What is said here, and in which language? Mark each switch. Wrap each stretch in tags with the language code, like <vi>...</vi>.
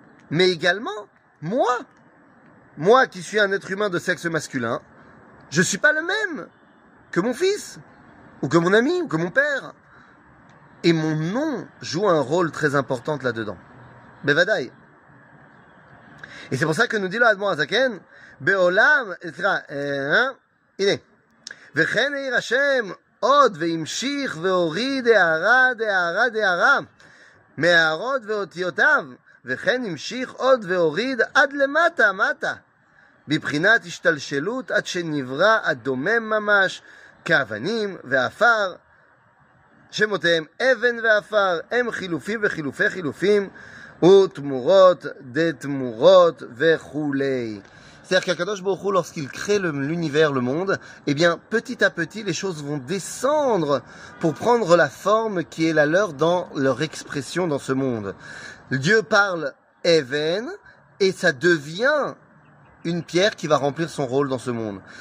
<fr>Mais également, moi. Moi qui suis un être humain de sexe masculin, je ne suis pas le même que mon fils, ou que mon ami, ou que mon père. Et mon nom joue un rôle très important là-dedans. Bevadaï. Et c'est pour ça que nous dit l'Admour Azaken, Beolam, etc. Iné.</fr> <he>וכן העיר השם עוד והמשיך והוריד הערה דהערה דהערה מהערות ואותיותיו וכן המשיך עוד והוריד עד למטה מטה בבחינת השתלשלות עד שנברא הדומם ממש כאבנים ואפר שמותיהם אבן ואפר הם חילופים וחילופי חילופים ותמורות דתמורות וכולי.</he> <fr>C'est-à-dire qu'Akadosh Baruch Hu, lorsqu'il crée l'univers, le monde, eh bien, petit à petit, les choses vont descendre pour prendre la forme qui est la leur dans leur expression dans ce monde. Dieu parle Even et ça devient une pierre qui va remplir son rôle dans ce monde.</fr>